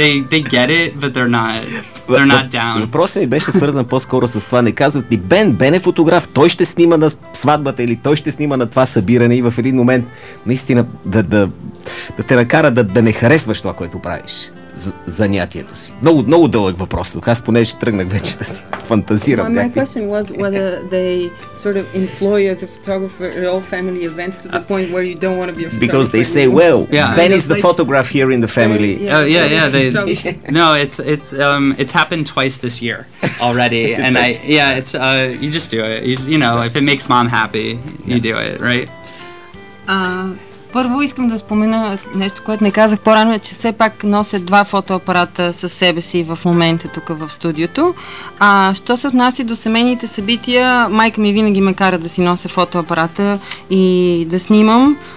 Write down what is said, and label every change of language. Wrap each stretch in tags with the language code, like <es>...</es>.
<en>they get it, but they're not down.</en> <bg>Въпросът ми беше свързан по-скоро с това. Не казват ли, Бен е фотограф, той ще снима на сватбата или той ще снима на това събиране и в един момент наистина да те накара да не харесваш това, което правиш за занятието си. Много, много дълъг въпрос. Тук аз понеже тръгнах вече да си фантазирам.</bg> <en>My question was whether they sort of employ as a photographer at all family events to the point where you don't want to be a photographer. Because they say, well, yeah. Ben is the photographer here in the family. It's happened twice this year already. And you just do it. If it makes mom happy, you do it, right?</en> <bg>Първо искам да спомена нещо, което не казах по-рано, е, че все пак нося два фотоапарата със себе си в момента тук в студиото. А що се отнася до семейните събития, майка ми винаги ме кара да си нося фотоапарата и да снимам.</bg>